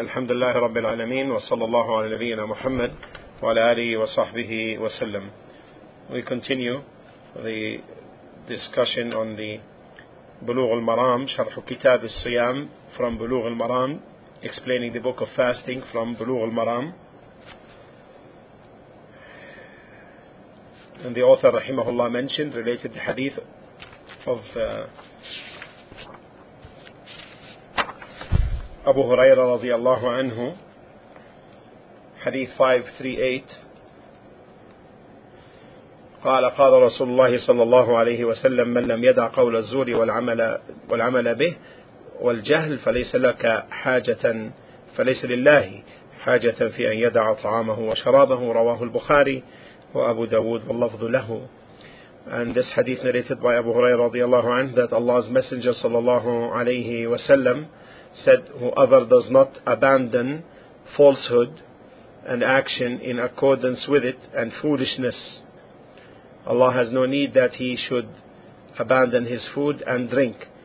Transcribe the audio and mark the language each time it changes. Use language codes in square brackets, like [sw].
[ar] الحمد لله رب العالمين، وصلى الله على نبينا محمد وعلى آله وصحبه وسلم. [en] We continue the discussion on the بلوغ المرام، شرح كتاب الصيام from بلوغ المرام، explaining the book of fasting from بلوغ المرام. And the author [ar] رحمه الله [en] mentioned related the hadith of Abu Huraira radiallahu anhu, hadith 538. [ar] قال قال رسول الله صلى الله عليه وسلم من لم يدع قول الزور والعمل به والجهل فليس لك حاجة فليس لله حاجة في أن يدع طعامه وشرابه. رواه البخاري وأبو داود واللفظ له. [en] And this hadith narrated by Abu Huraira radiallahu anhu that Allah's Messenger [ar] صلى الله عليه وسلم [en] said, whoever does not abandon falsehood and action in accordance with it and foolishness, Allah has no need that he should abandon his food and drink.